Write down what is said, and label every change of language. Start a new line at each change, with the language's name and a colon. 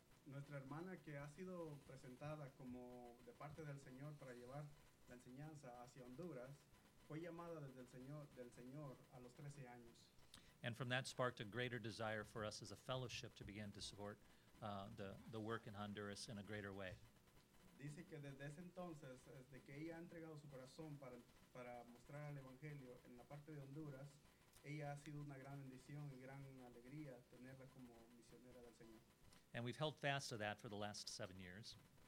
Spanish: Nuestra hermana que ha sido presentada como de parte del Señor para llevar la enseñanza hacia Honduras fue llamada desde el Señor a los 13 años.
English: And from that sparked a greater desire for us as a fellowship to begin to support the work in Honduras in a greater way.
Spanish: Dice que desde ese entonces, desde que ella ha entregado su corazón para mostrar el evangelio en la parte de Honduras. Ella ha sido una gran bendición y gran alegría tenerla como misionera del Señor.
English: And we've held fast to that for the last 7 years.